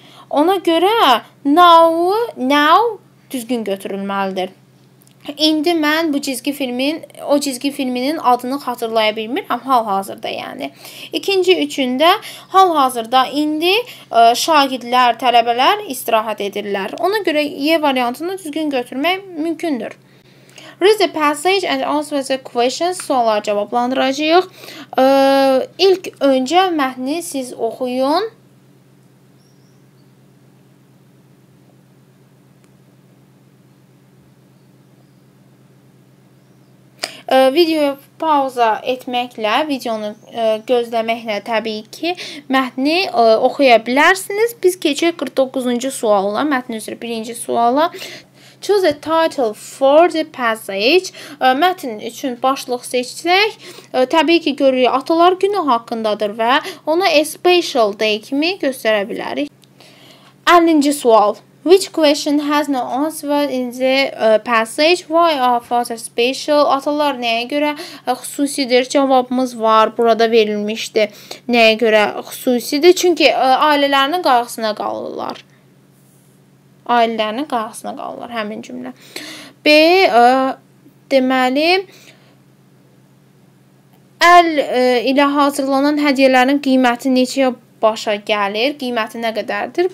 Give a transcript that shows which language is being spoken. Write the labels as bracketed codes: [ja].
[az] Ona görə now düzgün götürülməlidir. İndi mən bu cizgi filmin, o cizgi filminin adını xatırlaya bilmirəm hal-hazırda yəni. İkinci üçündə hal-hazırda indi şagirdlər, tələbələr istirahat edirlər. Ona görə Y variantını düzgün götürmək mümkündür. [en] Read the passage and answer the questions. [az] Sualları cavablandıracağıq. İlk öncə mətni siz oxuyun. videoya pauza etməklə, videonu gözləməklə təbii ki, mətni oxuya bilərsiniz. Biz keçək 49-cu suala, mətn üzrə birinci suala. [en] Choose a title for the passage. [az] Mətn üçün başlıq seçsək, təbii ki, görürük atalar günü haqqındadır və ona [en] a special day [az] kimi göstərə bilərik. 50-ci sual. [en] Which question has no answer in the passage? Why are father special? [az] Atalar nəyə görə xüsusidir? Cavabımız var. Burada verilmişdi. Nəyə görə xüsusidir? Çünki ailələrinin qayğısına qalırlar. Ailələrinin qayğısına qalırlar həmin cümlə. B. Deməli, əl ilə hazırlanan hədiyələrin qiyməti neçəyə başa gəlir, qiyməti nə qədərdir?